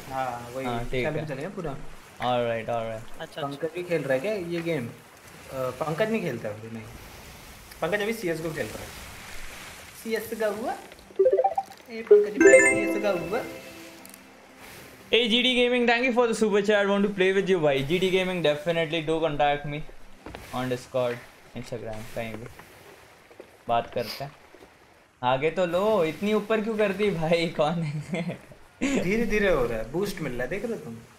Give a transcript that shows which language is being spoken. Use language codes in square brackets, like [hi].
[hi] हाँ वही ठीक है, चलेंगे पूरा। [en] All right all right. [hi] अच्छा पंकज भी खेल रहा है क्या ये गेम? पंकज नहीं खेलता अभी, नहीं पंकज अभी सी एस को खेल रहा है। सी एस का हुआ ये पंकज भाई, सी एस का हुआ। [en] Hey GD Gaming, thank you for the super chat. Want to play with you, bhai? GD Gaming, definitely do contact me on Discord, Instagram, [hi] कहीं भी बात करते हैं। आगे तो लो, इतनी ऊपर क्यों करती भाई? कौन है? धीरे धीरे हो रहा है, बूस्ट मिल रहा है, देख रहे हो तुम?